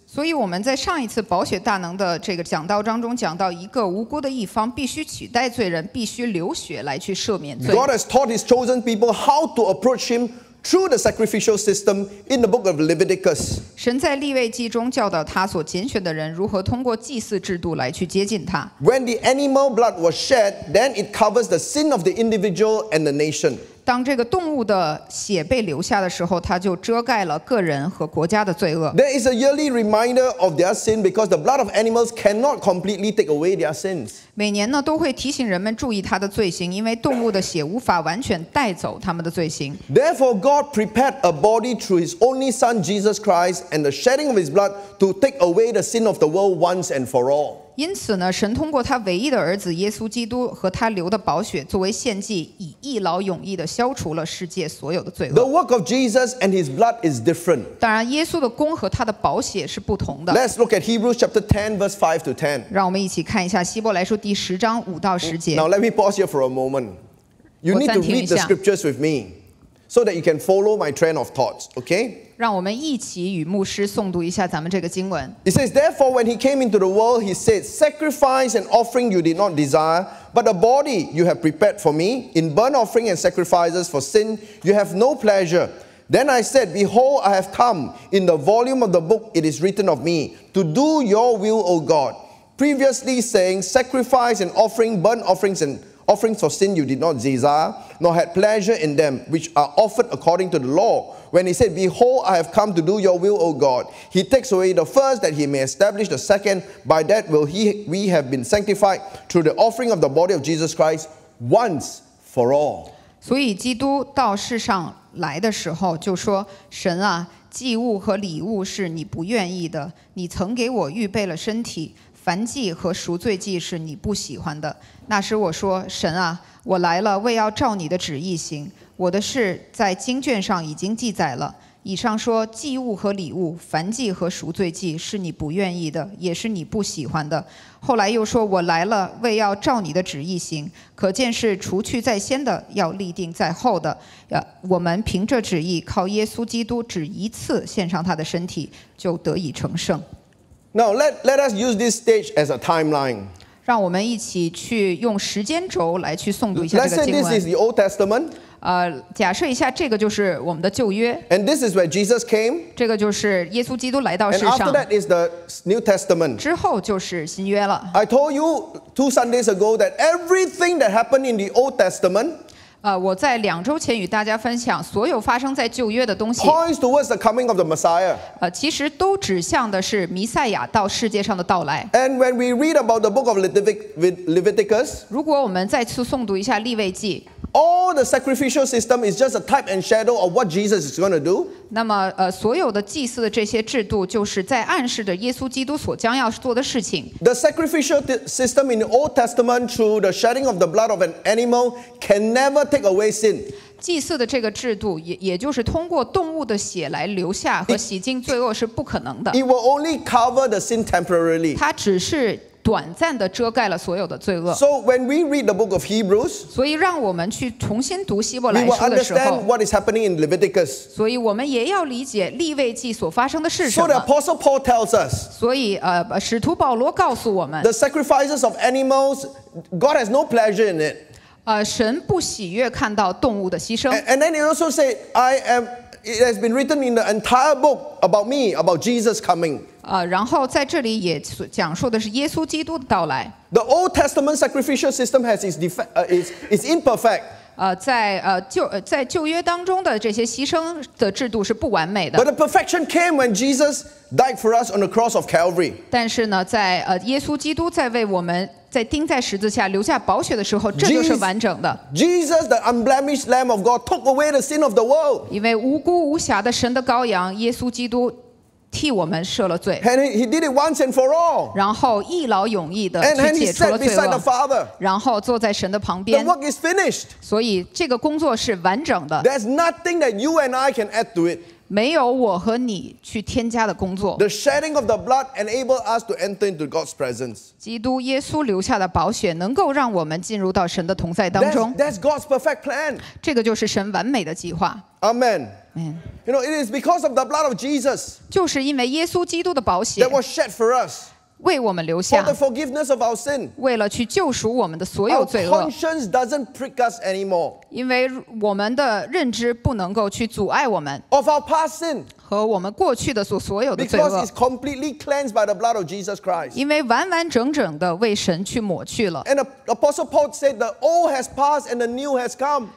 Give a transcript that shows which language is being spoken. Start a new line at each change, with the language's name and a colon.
Chinese: 所以我们在上一次宝血大能的这个讲道当中讲到，一个无辜的一方必须取代罪人，必须流血来去赦免罪。
English: God has taught His chosen people how to approach Him through the sacrificial system in the book of Leviticus.
Chinese: 神在利未记中教导他所拣选的人如何通过祭祀制度来去接近他。
English: When the animal blood was shed, then it covers the sin of the individual and the nation.
Chinese: 当这个动物的血被流下的时候，它就遮盖了个人和国家的罪恶。
English: There is a yearly reminder of their sin because the blood of animals cannot completely take away their sins.
Chinese: 每年呢都会提醒人们注意他的罪行，因为动物的血无法完全带走他们的罪行。
English: Therefore, God prepared a body through His only Son, Jesus Christ, and the shedding of His blood to take away the sin of the world once and for all.
Chinese: 因此呢，神通过他唯一的儿子耶稣基督和他流的宝血作为献祭，以一劳永逸地消除了世界所有的罪恶。
English: The work of Jesus and His blood is different.
Chinese: 当然，耶稣的功和他的宝血是不同的。
English: Let's look at Hebrews chapter 10, verse 5 to 10.
Chinese: 让我们一起看一下希伯来书第十章五到十节。
English: Now let me pause here for a moment. You need to read the scriptures with me, so that you can follow my train of thoughts. Okay?
Chinese: 让我们一起与牧师诵读一下咱们这个经文。
English: It says, therefore, when he came into the world, he said, sacrifice and offering you did not desire, but a body you have prepared for me. In burnt offering and sacrifices for sin, you have no pleasure. Then I said, behold, I have come. In the volume of the book, it is written of me, to do your will, O God. Previously saying, sacrifice and offering, burnt offerings and offerings for sin you did not desire, nor had pleasure in them, which are offered according to the law. When he said, behold, I have come to do your will, O God, he takes away the first that he may establish the second. By that will we have been sanctified through the offering of the body of Jesus Christ once for all.
Chinese: 所以基督到世上来的时候就说，神啊，祭物和礼物是你不愿意的，你曾给我预备了身体，燔祭和赎罪祭是你不喜欢的。那时我说，神啊，我来了，为要照你的旨意行。我的事在经卷上已经记载了。以上说祭物和礼物、燔祭和赎罪祭是你不愿意的，也是你不喜欢的。后来又说，我来了，为要照你的旨意行。可见是除去在先的，要立定在后的。我们凭着旨意，靠耶稣基督只一次献上他的身体，就得以成圣。
English: Now let us use this stage as a timeline.
Chinese: 让我们一起去用时间轴来去诵读一下这个经文。
English: Let's say this is the Old Testament.
Chinese: 假设一下，这个就是我们的旧约。
English: And this is where Jesus came.
Chinese: 这个就是耶稣基督来到世上。
English: And after that is the New Testament.
Chinese: 之后就是新约了。
English: I told you two Sundays ago that everything that happened in the Old Testament.
Chinese: 我在两周前与大家分享所有发生在旧约的东西。
English: Points towards the coming of the Messiah.
Chinese: 其实都指向的是弥赛亚到世界上的到来。
English: And when we read about the book of Leviticus,
Chinese: 如果我们再次诵读一下利未记。
English: All the sacrificial system is just a type and shadow of what Jesus is going to do.
Chinese: 那么，所有的祭祀的这些制度，就是在暗示着耶稣基督所将要做的事情。
English: The sacrificial system in the Old Testament, through the shedding of the blood of an animal, can never take away sin.
Chinese: 祭祀的这个制度，也就是通过动物的血来流下和洗净罪恶是不可能的。
English: It will only cover the sin temporarily.
Chinese: 它只是短暂地遮盖了所有的罪恶。
English: So when we read the book of Hebrews,
Chinese: 所以让我们去重新读希伯来书的时候，
English: we will understand what is happening in Leviticus.
Chinese: 所以我们也要理解利未记所发生的是什么。
English: So the Apostle Paul tells us.
Chinese: 所以使徒保罗告诉我们，
English: the sacrifices of animals, God has no pleasure in it.
Chinese: 神不喜悦看到动物的牺牲。
English: And then he also said, it has been written in the entire book about me, about Jesus coming.
Chinese: 然后在这里也讲述的是耶稣基督的到来。
English: The Old Testament sacrificial system has its defect, is imperfect.
Chinese: 在旧约当中的这些牺牲的制度是不完美的。
English: But the perfection came when Jesus died for us on the cross of Calvary.
Chinese: 但是呢，在耶稣基督在为我们在钉在十字架留下宝血的时候，这就是完整的。
English: Jesus, the unblemished Lamb of God, took away the sin of the world.
Chinese: 因为无辜无瑕的神的羔羊耶稣基督。替我们赦了罪。
English: And he did it once and for all.
Chinese: 然后一劳永逸地去解除了罪恶。
English: And he sat beside the Father.
Chinese: 然后坐在神的旁边。
English: The work is finished.
Chinese: 所以这个工作是完整的。
English: There's nothing that you and I can add to it.
Chinese: 没有我和你去添加的工作。
English: The shedding of the blood enables us to enter into God's presence.
Chinese: 基督耶稣留下的宝血能够让我们进入到神的同在当中。
English: That's God's perfect plan.
Chinese: 这个就是神完美的计划。
English: Amen. You know, it is because of the blood of Jesus.
Chinese: 就是因为耶稣基督的宝血。
English: That was shed for us.
Chinese: 为我们留下
English: for the forgiveness of our sin,
Chinese: 为了去救赎我们的所有罪恶
English: our conscience doesn't prick us anymore,
Chinese: 因为我们的认知不能够去阻碍我们
English: of our past sin,
Chinese: 和我们过去的所有的罪恶
English: because it's completely cleansed by the blood of Jesus Christ,
Chinese: 因为完完整整的为神去抹去了
English: and Apostle Paul said the old has passed and the new has come,